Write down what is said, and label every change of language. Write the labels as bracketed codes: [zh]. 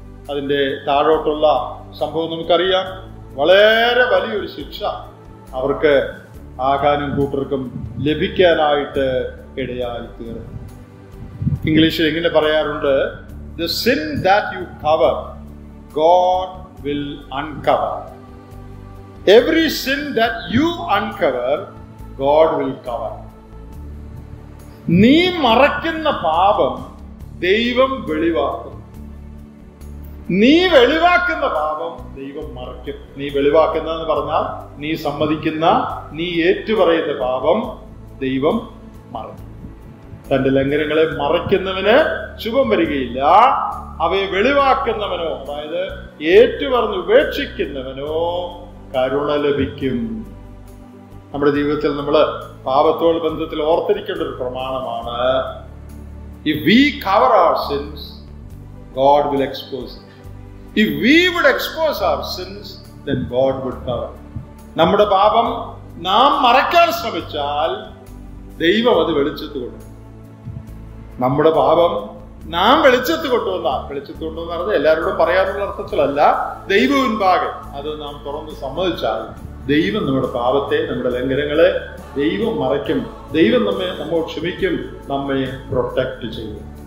[ml] അതിൻ്റെ താഴോട്ടുള്ള സംഭവം നമുക്കറിയാം. വളരെ വലിയൊരു ശിക്ഷ അവർക്ക് ആഖാനും കൂട്ടർക്കും ലഭിക്കാനായിട്ട് ഇടയായി തീർന്നു. ഇംഗ്ലീഷിൽ എങ്ങനെ പറയാറുണ്ട്, [en] The sin that you cover God will uncover. Every sin that you uncover, God will cover. [ml] നീ മറയ്ക്കുന്ന പാപം ദൈവം വെളിവാക്കും. നീ വെളിവാക്കുന്ന പാപം ദൈവം മറയ്ക്കും. നീ വെളിവാക്കുന്ന എന്ന് പറഞ്ഞാൽ നീ സമ്മതിക്കുന്ന, നീ ഏറ്റുപറയുന്ന പാപം ദൈവം മറയ്ക്കും. തന്റെ ലംഘനങ്ങളെ മറയ്ക്കുന്നവന് ശുഭം വരികയില്ല. അവയെ വെളിവാക്കുന്നവനോ, അതായത് ഏറ്റുപറഞ്ഞ് ഉപേക്ഷിക്കുന്നവനോ കരുണ ലഭിക്കും. നമ്മുടെ ജീവിതത്തിൽ നമ്മൾ പാപത്തോട് ബന്ധത്തിൽ ഓർത്തിരിക്കേണ്ട ഒരു പ്രമാണമാണ്, [en] If we cover our sins God will expose it. If we would expose our sins, then God would cover. [ml] നമ്മുടെ പാപം നാം മറയ്ക്കാൻ ശ്രമിച്ചാൽ ദൈവം അത് വെളിച്ചത്ത് കൊണ്ടുവന്നു. നമ്മുടെ പാപം നാം വെളിച്ചത്ത് കൊണ്ടുവന്നാൽ, വെളിച്ചത്ത് കൊണ്ടുവന്ന അർത്ഥം എല്ലാവരോടും പറയാനുള്ള അർത്ഥത്തിലല്ല, ദൈവം പാകെ അത് നാം തുറന്ന് സമ്മതിച്ചാൽ ദൈവം നമ്മുടെ പാപത്തെ, നമ്മുടെ ലംഘനങ്ങളെ ദൈവം മറയ്ക്കും, ദൈവം നമ്മെ നമ്മോട് ക്ഷമിക്കും, നമ്മെ പ്രൊട്ടക്ട് ചെയ്യും.